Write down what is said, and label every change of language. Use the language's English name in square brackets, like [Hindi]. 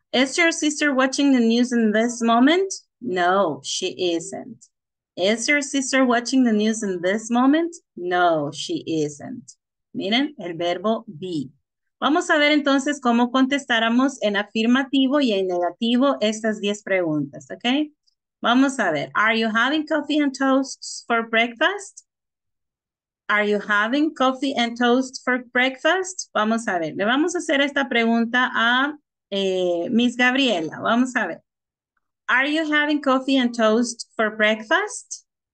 [English] Is your sister watching the news in this moment? No, she isn't. Is your sister watching the news in this moment? No, she isn't. [Spanish] Miren, el verbo be. Vamos a ver entonces cómo contestáramos en afirmativo y en negativo estas 10 preguntas, ¿ok? Vamos a ver. [English] Are you having coffee and toasts for breakfast? Are you having coffee and toasts for breakfast? [Spanish] Vamos a ver. Le vamos a hacer esta pregunta a Miss Gabriela. Vamos a ver. [English] Are you having coffee and toast for breakfast?